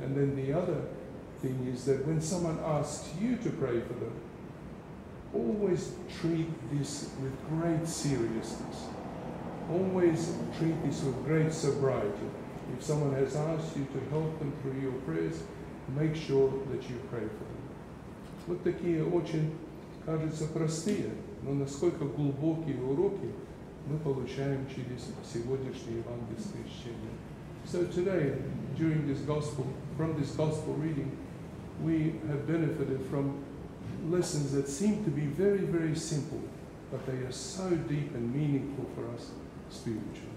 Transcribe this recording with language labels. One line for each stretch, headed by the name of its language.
English: And then the other thing is that when someone asks you to pray for them, always treat this with great seriousness. Always treat this with great sobriety. If someone has asked you to help them through your prayers, make sure that you pray for them.
Russian: Вот такие очень, кажется, простые, но насколько глубокие уроки мы получаем через сегодняшнее евангельское чтение.
English: So today, during this gospel, from this gospel reading, we have benefited from lessons that seem to be very, very simple, but they are so deep and meaningful for us spiritually.